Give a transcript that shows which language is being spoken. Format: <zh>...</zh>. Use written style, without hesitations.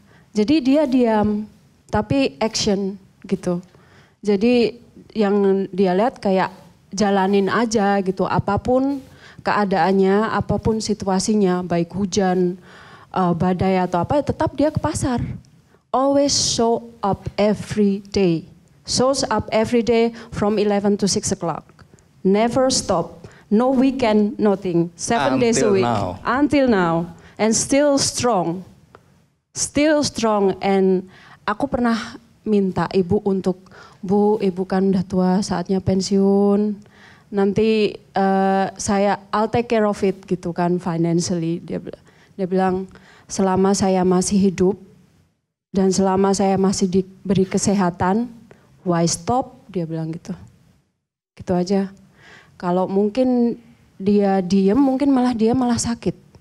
<id>Jadi dia diam, tapi action gitu. Jadi yang dia lihat kayak jalanin aja gitu, apapun keadaannya, apapun situasinya, baik hujan, badai atau apa, tetap dia ke pasar.</id> <en>Always show up every day. Shows up every day from 11 to 6 o'clock. Never stop. No weekend, nothing. Seven days a week. Until now. And still strong. Still strong.</en> <id>And aku pernah minta ibu untuk, "Bu, ibu kan udah tua, saatnya pensiun. Nanti saya,</id> <en>I'll take care of it,"</en> <id>gitu kan,</id> <en>financially.</en> <id>Dia bilang, "Selama saya masih hidup dan selama saya masih diberi kesehatan,</id> <en>why stop?"</en> <id>Dia bilang gitu. Gitu aja. Kalau mungkin dia diem, mungkin malah dia malah sakit.</id>